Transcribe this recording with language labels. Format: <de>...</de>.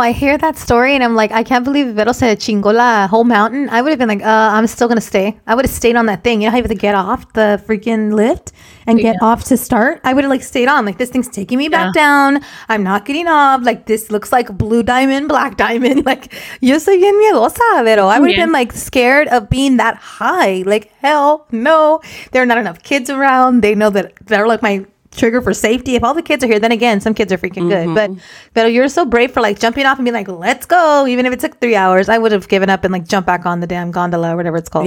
<en>I hear that story and I'm like, I can't believe Vero said</en> <es>chingó la</es> <en>whole mountain. I would have been like, I'm still going to stay. I would have stayed on that thing. You know how you have to get off the freaking lift and get off to start? I would have like stayed on. Like, this thing's taking me back down. I'm not getting off. Like, this looks like blue diamond, black diamond.</en> <es>Like, yo soy bien miedosa, Vero.</es> <en>I would have been like scared of being that high. Like, hell no. There are not enough kids around. They know that they're like my trigger for safety. If all the kids are here, then again, some kids are freaking good. But you're so brave for like jumping off and being like, let's go. Even if it took 3 hours, I would have given up and like jump back on the damn gondola or whatever it's called.</en>